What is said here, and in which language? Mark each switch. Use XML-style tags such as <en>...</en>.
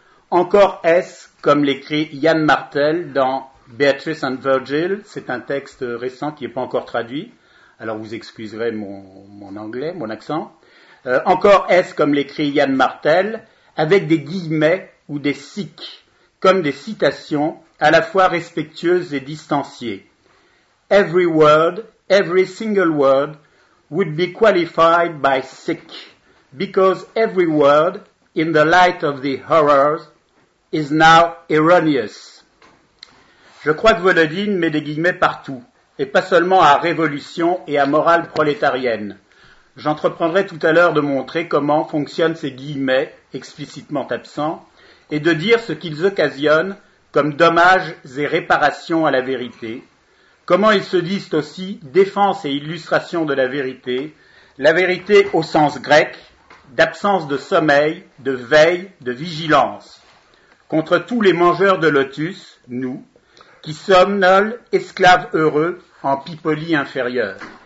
<fr>Encore est-ce, comme l'écrit Yann Martel dans Beatrice and Virgil, c'est un texte récent qui n'est pas encore traduit, alors vous excuserez mon anglais, mon accent, encore est-ce, comme l'écrit Yann Martel, avec des guillemets ou des sic, comme des citations, à la fois respectueuse et distanciée.</fr> <en>Every word, every single word, would be qualified by sick, because every word, in the light of the horrors, is now erroneous.</en> <fr>Je crois que Volodine met des guillemets partout, et pas seulement à révolution et à morale prolétarienne. J'entreprendrai tout à l'heure de montrer comment fonctionnent ces guillemets, explicitement absents, et de dire ce qu'ils occasionnent comme dommages et réparations à la vérité, comment ils se disent aussi défense et illustration de la vérité au sens grec, d'absence de sommeil, de veille, de vigilance, contre tous les mangeurs de lotus, nous, qui somnolent esclaves heureux en pipolie inférieure.</fr>